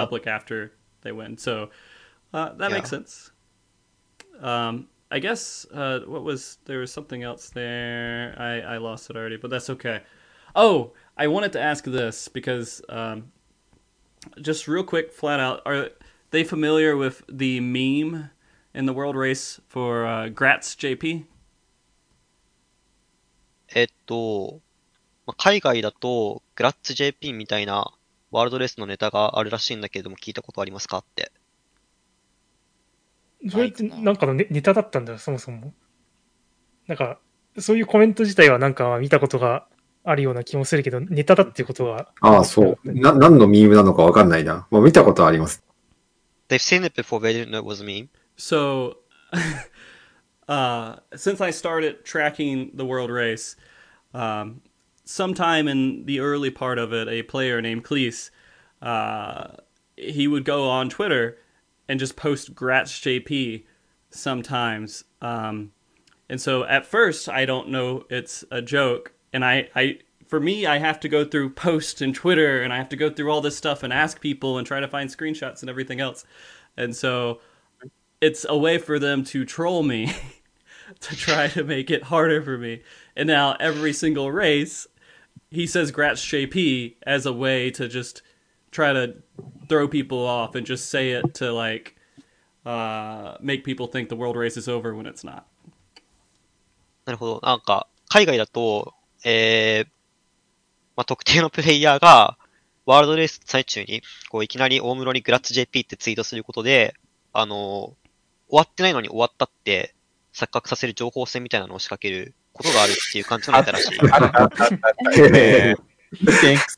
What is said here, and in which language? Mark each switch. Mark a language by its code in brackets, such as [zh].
[en] public after they win. So、that、yeah. makes sense.、I guess、what was there was something else there. I lost it already, but that's okay. Oh, I wanted to ask this because、just real quick, flat out, are they familiar with the meme in the world race for、Gratz JP? [ja] まあ、海外だと、グラッツ JP みたいなワールドレースのネタがあるらしいんだけれども、聞いたことありますかって。それってなんかの ネタだったんだよ、そもそも。なんか、そういうコメント自体はなんか見たことがあるような気もするけど、ネタだっていうことは。ああ、そう。何のミームなのかわかんないな。まあ、見たことあります。 [en] They've seen it before, they didn't know it was a meme. So, since I started tracking the world race, sometime in the early part of it, a player named Cleese, he would go on Twitter and just post Gratz JP sometimes. And so at first, I don't know it's a joke. And I, for me, I have to go through posts and Twitter and I have to go through all this stuff and ask people and try to find screenshots and everything else. And so it's a way for them to troll me to try to make it harder for me. And now every single race... He says Gratz JP as a way to just try to throw people off and just say it to, like, make people think the world race is over when it's not. [ja] なるほど。なんか、海外だと、まあ、特定のプレイヤーが、ワールドレース最中に、こう、いきなり大室にGratz JP ってツイートすることで、終わってないのに終わったって錯覚させる情報戦みたいなのを仕掛けることがあるっていう感じのネタらしい。